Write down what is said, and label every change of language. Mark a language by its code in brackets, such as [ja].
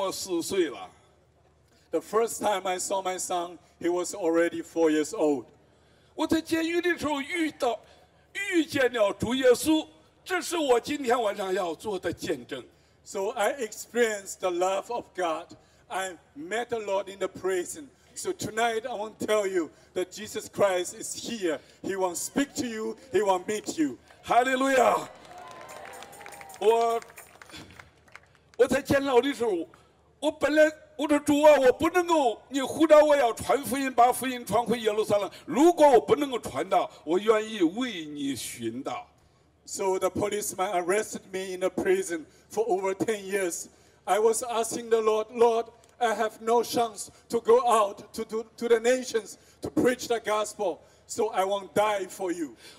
[zh] 我今天晚上想要告诉各位，我第一次从监狱出来的时候，我的孩子已经超过4岁了。 [en] The first time I saw my son, he was already 4 years old. [zh] 我在监狱的时候遇见了主耶稣。这是我今天晚上要做的见证。 [en] So I experienced the love of God. I met the Lord in the prison. So tonight I want to tell you that Jesus Christ is here. He won't speak to you. He won't meet you. Hallelujah. [zh] 我在监牢的时候，我本来我说主啊，我不能够，你呼召我要传福音，把福音传回耶路撒冷。如果我不能够传道，我愿意为你寻道。 [en] So the policeman arrested me in a prison for over 10 years. I was asking the Lord, Lord, I have no chance to go out to the nations to preach the gospel, so I won't die for you.